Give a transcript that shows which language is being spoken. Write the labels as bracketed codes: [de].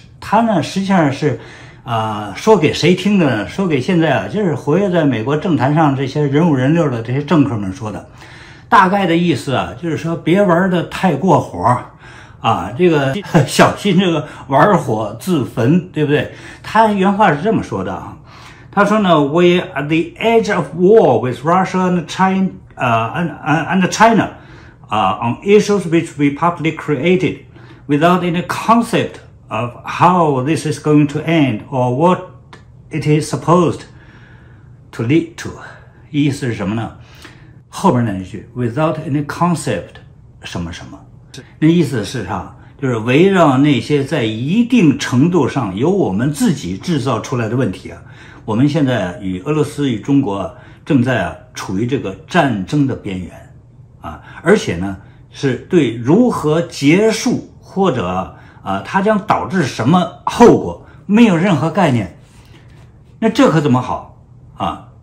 [zh] 他呢，实际上是说给谁听的呢？说给现在啊，就是活跃在美国政坛上这些人五人六的这些政客们说的。大概的意思啊，就是说别玩得太过火。啊，这个小心这个玩火自焚，对不对？他原话是这么说的啊，他说呢， [en] We are the edge of war with Russia and China, and China, on issues which we partly created, without any concept of how this is going to end or what it is supposed to lead to。 [zh] 意思是什么呢？后边那一句， [en] without any concept [zh] 什么什么。那意思是啥？就是围绕那些在一定程度上由我们自己制造出来的问题啊，我们现在与俄罗斯与中国正在处于这个战争的边缘啊，而且呢，是对如何结束或者它将导致什么后果没有任何概念，那这可怎么好啊？